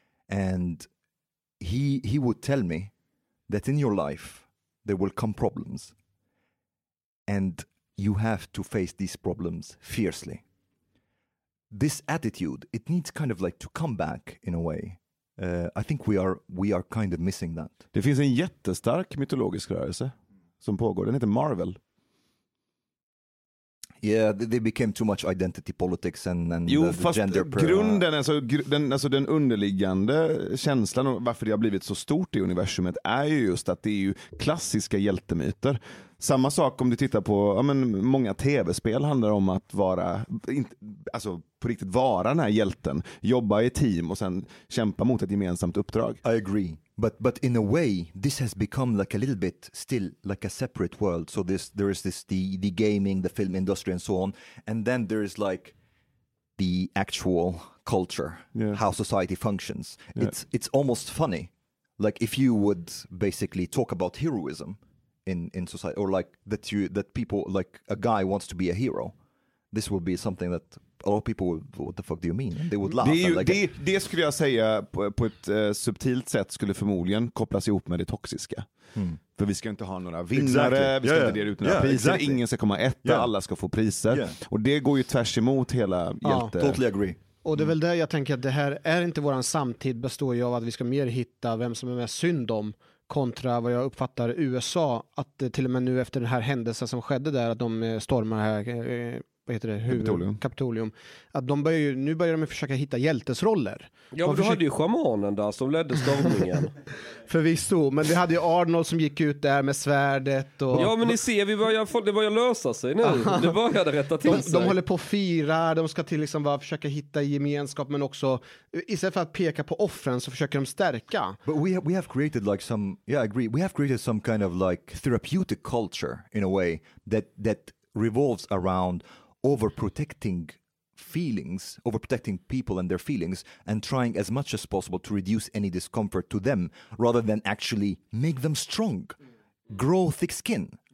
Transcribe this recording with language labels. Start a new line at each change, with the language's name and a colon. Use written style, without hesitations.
English: And he would tell me that in your life there will come problems and you have to face these problems fiercely. This attitude, it needs kind of like to come back in a way. I think we are kind of missing that.
Swedish: Det finns en jättestark mytologisk rörelse som pågår. Den heter Marvel.
English: Yeah, they became too much identity politics and
Swedish: jo,
English: the gender.
Swedish: Jo, fast grunden, den underliggande känslan och varför det har blivit så stort i universumet är ju just att det är ju klassiska hjältemyter. Samma sak om du tittar på, ja men många tv-spel handlar om att vara, alltså på riktigt vara den här hjälten. Jobba i team och sen kämpa mot ett gemensamt uppdrag.
English: I agree. But in a way, this has become like a little bit still like a separate world. So there is the gaming, the film industry and so on. And then there is like the actual culture, yeah, how society functions. Yeah. It's almost funny. Like if you would basically talk about heroism in society, or like that people, like a guy wants to be a hero, this would be something that all people would, what the fuck do you mean? They would laugh.
Swedish: Det skulle jag säga på ett subtilt sätt skulle förmodligen kopplas ihop med det toxiska. Mm. För vi ska inte ha några vinnare, exactly. Vi ska, yeah, inte dela ut några, yeah, priser, exactly. Ingen ska komma etta, yeah, alla ska få priser. Yeah. Och det går ju tvärs emot hela hjälte.
English: Ja, totally agree.
Swedish: Och det är väl där jag tänker att det här är inte våran samtid består ju av att vi ska mer hitta vem som är mest synd om kontra vad jag uppfattar USA, att till och med nu efter den här händelsen som skedde där, att de stormar här, vad heter det? Kapitolium. Att de börjar ju, nu börjar de försöka hitta hjältesroller. Ja, men du hade ju schamanen där som ledde stormningen. Förvisso, men vi hade ju Arnold som gick ut där med svärdet. Och ja, men ni ser, det börjar lösa sig nu. Det började rätta till sig. De håller på att fira, de ska till liksom bara försöka hitta gemenskap, men också istället för att peka på offren så försöker de stärka.
English: But we have created like some, yeah, I agree, we have created some kind of like therapeutic culture in a way that revolves around overprotecting feelings, overprotecting people and their feelings, and trying as much as possible to reduce any discomfort to them rather than actually make them strong, grow thick skin.